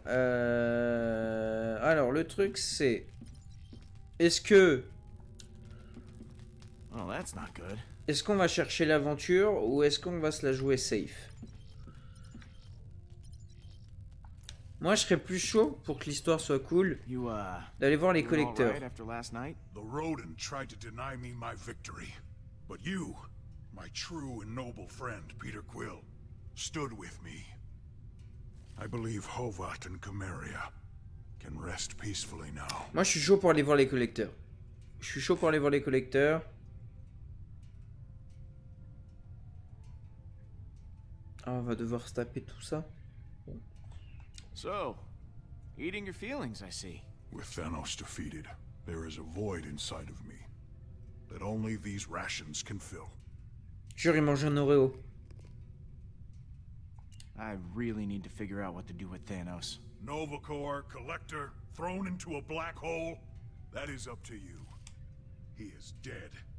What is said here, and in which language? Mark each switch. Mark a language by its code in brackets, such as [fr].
[fr] Alors, le truc c'est... Est-ce que... [en] Well, that's not good. [fr] Est-ce qu'on va chercher l'aventure ou est-ce qu'on va se la jouer safe? Moi, je serais plus chaud pour que l'histoire soit cool d'aller voir les collecteurs. [en] The rodent tried to deny me my victory, but you, my true and noble friend Peter Quill, stood with me. I believe Hovat and Chimeria can rest peacefully now. [fr] Moi, je suis chaud pour aller voir les collecteurs. Je suis chaud pour aller voir les collecteurs. Ah, on va devoir se taper tout ça. [en] So, eating your feelings, I see. With Thanos defeated, there is a void inside of me that only these rations can fill. [fr] Jure, il mange un Oreo. [en] I really need to figure out what to do with Thanos. Nova Corps, Collector, thrown into a black hole? That is up to you. He is dead.